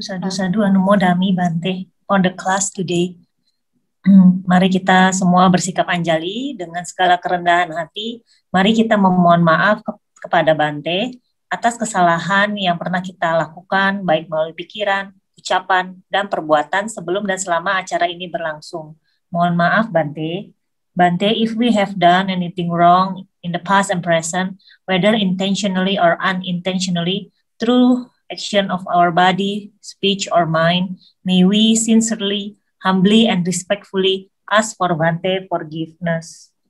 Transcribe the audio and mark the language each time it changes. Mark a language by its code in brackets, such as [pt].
[pi] Sadu, anumo dami Bante [en] on the class today. [id] Mari kita semua bersikap anjali dengan segala kerendahan hati. Mari kita memohon maaf kepada Bante atas kesalahan yang pernah kita lakukan, baik melalui pikiran, ucapan, dan perbuatan sebelum dan selama acara ini berlangsung. Mohon maaf, Bante. [en] Bante, if we have done anything wrong in the past and present, whether intentionally or unintentionally, through action of our body, speech, or mind, may we sincerely, humbly, and respectfully ask for Bante forgiveness.